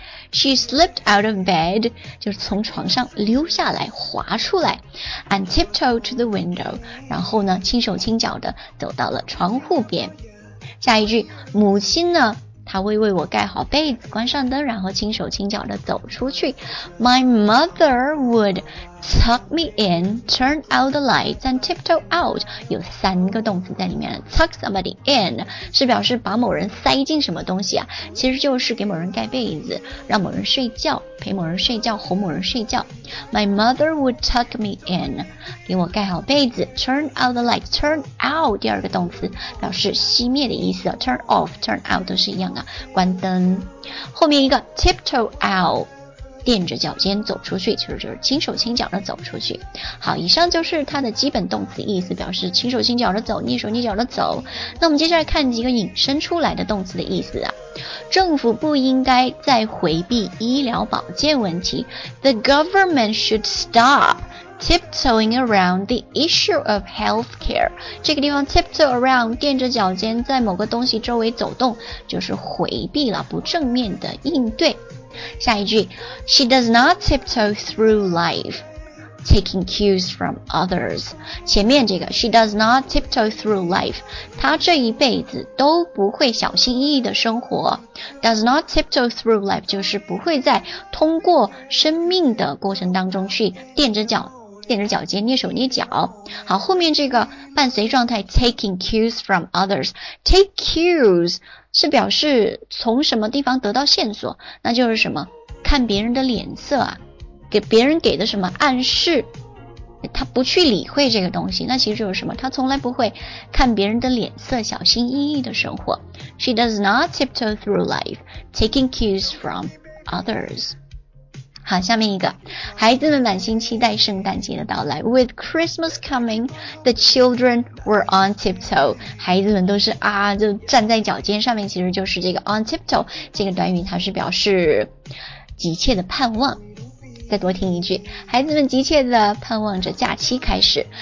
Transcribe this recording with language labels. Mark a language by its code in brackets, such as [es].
[en] She slipped out of bed, [zh] 就是从床上溜下来，滑出来。 [en] And tiptoed to the window, [zh] 然后呢，轻手轻脚的走到了窗户边。下一句，母亲呢他会为我盖好被子，关上灯，然后轻手轻脚地走出去。 [en] My mother would tuck me in, turn out the lights, and tiptoe out. [zh] 有三个动词在里面了。 [en] Tuck somebody in [zh] 是表示把某人塞进什么东西啊，其实就是给某人盖被子，让某人睡觉，陪某人睡觉，哄某人睡觉。 [en] My mother would tuck me in, [zh] 给我盖好被子。 [en] Turn out the lights, turn out [zh] 第二个动词表示熄灭的意思，啊， [en] turn off, turn out [zh] 都是一样啊，关灯。后面一个 [en] tiptoe out, [zh] 垫着脚尖走出去，就是轻手轻脚的走出去。好，以上就是它的基本动词意思，表示轻手轻脚的走，蹑手蹑脚的走。那我们接下来看几个引申出来的动词的意思啊。政府不应该再回避医疗保健问题。 [en] The government should stop tiptoeing around the issue of healthcare. [zh] 这个地方 [en] tiptoe around, [zh] 垫着脚尖在某个东西周围走动，就是回避了，不正面的应对。下一句 [en] She does not tiptoe through life taking cues from others. [zh] 前面这个 [en] She does not tiptoe through life, [zh] 她这一辈子都不会小心翼翼的生活。 [en] Does not tiptoe through life [zh] 就是不会在通过生命的过程当中去垫着脚尖捏手捏脚。好，后面这个伴随状态 [en] taking cues from others, take cues [zh] 是表示从什么地方得到线索，那就是什么看别人的脸色啊，给别人给的什么暗示，他不去理会这个东西，那其实就是什么，他从来不会看别人的脸色小心翼翼的生活。 [en] She does not tiptoe through life taking cues from others。 [zh] 好，下面一个，孩子们满心期待圣诞节的到来。 [en] With Christmas coming, the children were on tiptoe. [zh] 孩子们都是啊，就站在脚尖上面，其实就是这个 on tiptoe 这个短语，它是表示急切的盼望。再多听一句，孩子们急切的盼望着假期开始。